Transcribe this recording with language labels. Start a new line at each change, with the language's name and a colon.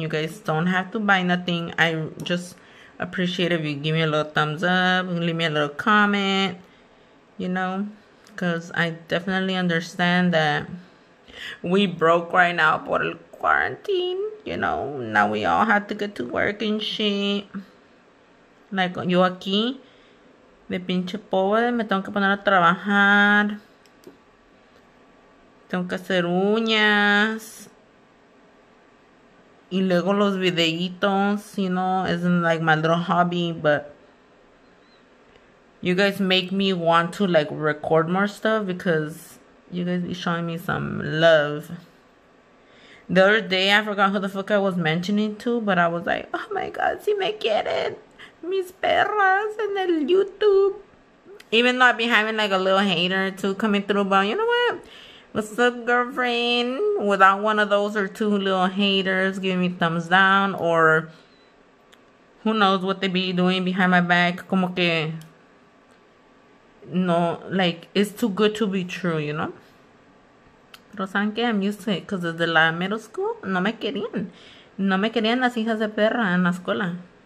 English: You guys don't have to buy nothing. I just appreciate if you give me a little thumbs up, leave me a little comment, you know? Because I definitely understand that we broke right now for the quarantine. You know, now we all have to get to work and shit.
Spanish: Like, yo aquí, de pinche pobre, me tengo que poner a trabajar. Tengo que hacer uñas. Y luego los videitos,
English: you know, isn't like my little hobby, but you guys make me want to, like, record more stuff because you guys be showing me some love. The other day, I forgot who the fuck I was mentioning to, but I was like, oh my god,
Spanish: si me quieren, mis perras, en el YouTube.
English: Even though I've been having like a little hater too coming through, but you know what? What's up, girlfriend? Without one of those or two little haters giving me thumbs down, or who knows what they be doing behind my back.
Spanish: Como que, no,
English: like, it's too good to be true, you know?
Spanish: Pero saben que
English: I'm used to it, because
Spanish: desde la
English: middle school,
Spanish: no me querían. No me querían las hijas de perra en la escuela.